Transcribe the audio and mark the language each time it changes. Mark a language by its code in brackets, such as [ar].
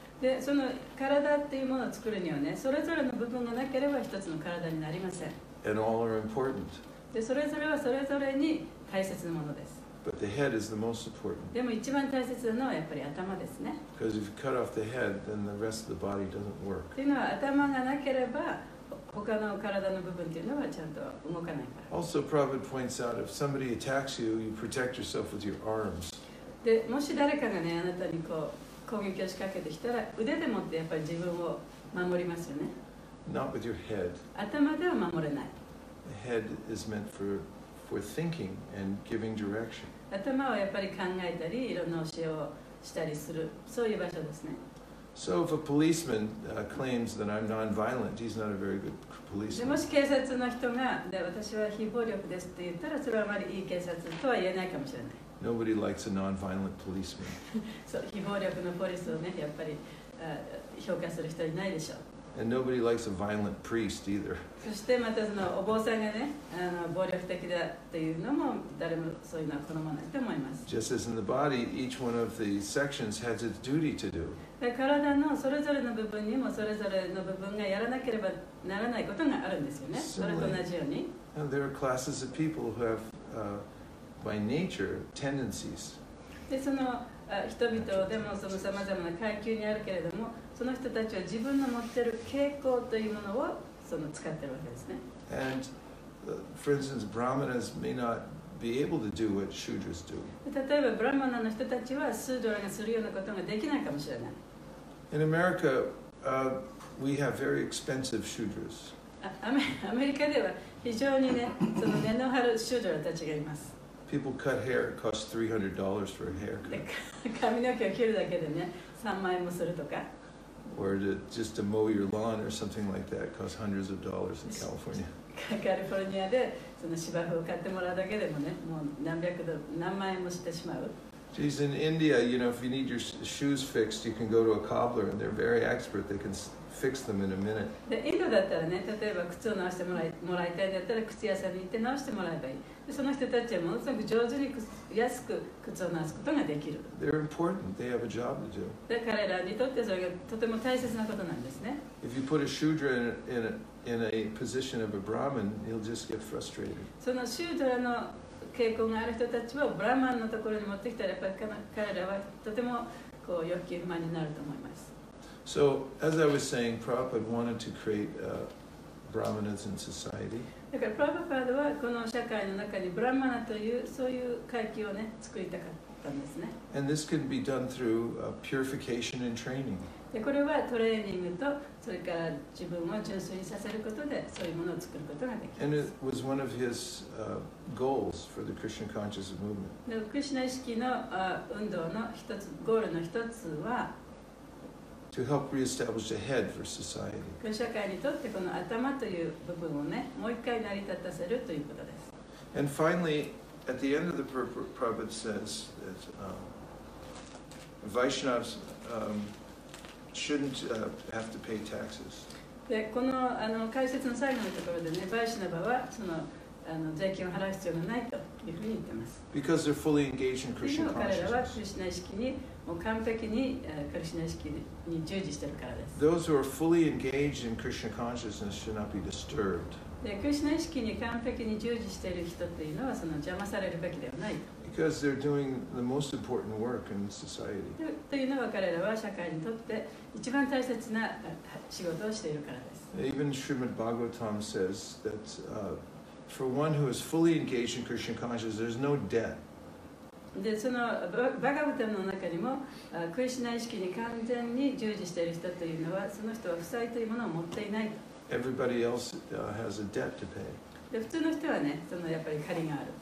[ja] でその体っていうものを作るにはね、それぞれの部分がなければ一つの体になりません。 [en] And all are important. [ja] でそれぞれはそれぞれに大切なものです。 [en] But the head is the most important. [ja] でも一番大切なのはやっぱり頭ですね。 [en] Because if you cut off the head, then the rest of the body doesn't work. [ja] っていうのは頭がなければ他の体の部分というのはちゃんと動かないから。 [en] Also, Prabhupada points out, if somebody attacks you, you protect yourself with your arms. [ja] でもし誰かがねあなたにこう攻撃を仕掛けてきたら腕でもってやっぱり自分を守りますよね。 [en] Not with your head. [ja] 頭では守れない。 [en] The head is meant for thinking and giving direction. [ja] 頭はやっぱり考えたりいろんな教えをしたりするそういう場所ですね。 [en] So if a policeman claims that I'm non-violent, he's not a very good policeman. [ja] もし警察の人がで私は非暴力ですって言ったらそれはあまりいい警察とは言えないかもしれない。 [en] Nobody likes a non-violent policeman. [ja] そう、非暴力のポリスをね、やっぱり評価する人いないでしょう。 [en] And nobody likes a violent priest either. [ja] そしてまたそのお坊さんがね、暴力的だというのも誰もそういうのは好まないと思います。 [en] Just as in the body, each one of the sections has its duty to do. [ja] で、体のそれぞれの部分にもそれぞれの部分がやらなければならないことがあるんですよね。それと同じように。 [en] And there are classes of people who have, by nature, tendencies. [ja] でその人々でもその様々な階級にあるけれども、その人たちは自分の持っている傾向というものをその使っているわけですね。 [en] And, for instance, Brahmanas may not be able to do what Shudras do. [ja] 例えば、ブラマナの人たちはスードラがするようなことができないかもしれない。 [en] In America, we have very expensive Shudras. [ja] アメリカでは非常にね、その根の張るシュードラたちがいます。 [en] People cut hair, it costs $300 for a haircut. [ja] 髪の毛を切るだけでね、3万円もするとか。 [en] Or just to mow your lawn or something like that costs hundreds of dollars in California. [ja] カリフォルニアでその芝生を買ってもらうだけでもね、もう何百ドル、何万円もしてしまう。 [en] Geez, in India, you know, if you need your shoes fixed, you can go to a cobbler and they're very expert. They can fix them in a minute. [ja] で、インドだったらね、例えば靴を直してもらいたいんだったら靴屋さんに行って直してもらえばいい。その人たちはものすごく上手に安く靴を直すことができる。 [en] They're important. They have a job to do. [ja] で、彼らにとってそれがとても大切なことなんですね。 [en] If you put a shudra in a position of a brahmin, he'll just get frustrated. [ja] そのシュードラの傾向がある人たちをブラマンのところに持ってきたらやっぱり彼らはとてもこう欲求不満になると思います。 [en] So, as I was saying, Prabhupada wanted to create brahmanas in society. [ja] だからプラバパードはこの社会の中にブラマナというそういう階級をね作りたかったんですね。 [en] And this can be done through purification and training. [ja] でこれはトレーニングとそれから自分を純粋にさせることでそういうものを作ることができます。 [en] And it was one of his goals for the Krishna conscious movement. [ja] でクリシュナ意識の運動の一つゴールの一つは。 [en] To help reestablish a head for society. [ja] 社会にとってこの頭という部分をね、もう一回成り立たせるということです。 [en] And finally, at the end of the Prabhupada says that Vaishnavas shouldn't have to pay taxes. [ja] で、この、あの、解説の最後のところでね、バイシナバはその、あの、税金を払う必要がないというふうに言ってます。 [en] Because they're fully engaged in Krishna consciousness. [ja] 彼らはクリシナ意識に、もう完璧に、クリシナ意識に従事しているからです。 [en] Those who are fully engaged in Krishna consciousness should not be disturbed. [ja] で、クリシナ意識に完璧に従事している人というのは、その、邪魔されるべきではないと。 [en] Because they're doing the most important work in society. [ja] というのは彼らは社会にとって一番大切な仕事をしているからです。 [en] Even Srimad Bhagavatam says that for one who is fully engaged in Krishna consciousness, there's no debt. [ja] で、そのバガヴァタムの中にも、クリシュナ意識に完全に従事している人というのは、その人は負債というものを持っていない。 [en] Everybody else has a debt to pay. [ja] で、普通の人はね、そのやっぱり借りがある。